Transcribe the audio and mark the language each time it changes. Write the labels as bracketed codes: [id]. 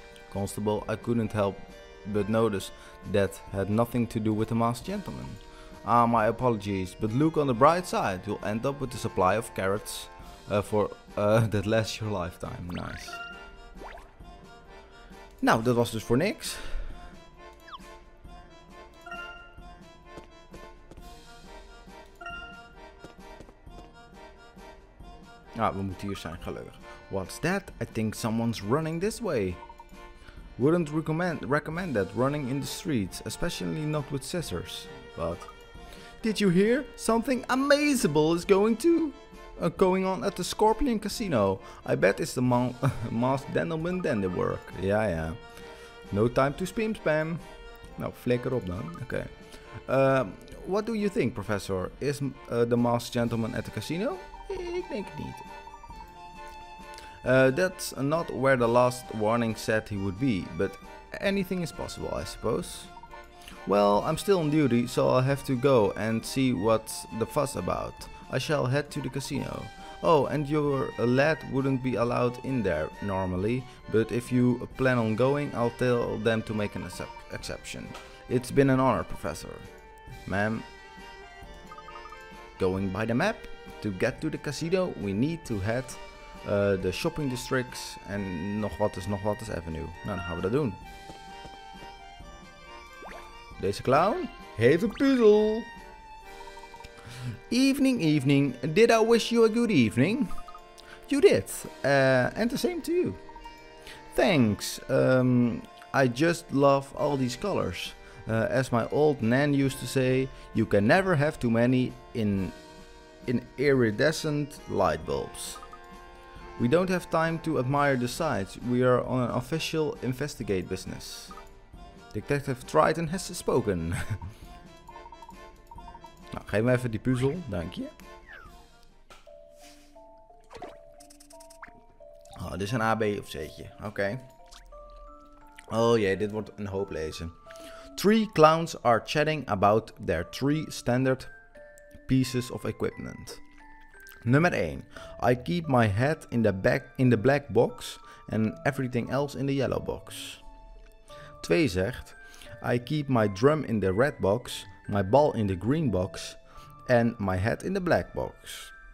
[en] Constable, I couldn't help but notice that had nothing to do with the masked gentleman. Ah, my apologies, but look on the bright side. You'll end up with a supply of carrots that lasts your lifetime. Nice. [nl] Nou, dat was dus voor niks. Ah, we moeten hier zijn, gelukkig. [en] What's that? I think someone's running this way. Wouldn't recommend that, running in the streets, especially not with scissors. But did you hear? Something amazable is going on at the Scorpion Casino. I bet it's the masked gentleman then they work. Yeah, yeah. No time to spam. [nl] Nou, flikker op dan. Oké. [en] Okay. What do you think, professor? Is the masked gentleman at the casino? [nl] Ik denk het niet. [en] That's not where the last warning said he would be, but anything is possible, I suppose. Well, I'm still on duty, so I'll have to go and see what's the fuss about. I shall head to the casino. Oh, and your lad wouldn't be allowed in there normally, but if you plan on going, I'll tell them to make an exception. It's been an honor, Professor. Ma'am. Going by the map? To get to the casino, we need to head the shopping districts and nog wat is avenue. [nl] Nou, dan gaan we dat doen. Deze clown heeft een puzzel. [en] Evening, evening. Did I wish you a good evening? You did. And the same to you. Thanks. I just love all these colors. As my old nan used to say, you can never have too many in iridescent light bulbs. We don't have time to admire the sights. We are on an official investigate business. Detective Triton has spoken. [nl] Nou, geef me even die puzzel, dank je. Oh, dit is een A, B of C'tje. Oké. Oh jee, dit wordt een hoop lezen. [en] Three clowns are chatting about their three standard pieces of equipment. [nl] Nummer 1. [en] I keep my hat in the black box and everything else in the yellow box. [nl] 2 zegt. [en] I keep my drum in the red box, my ball in the green box and my hat in the black box.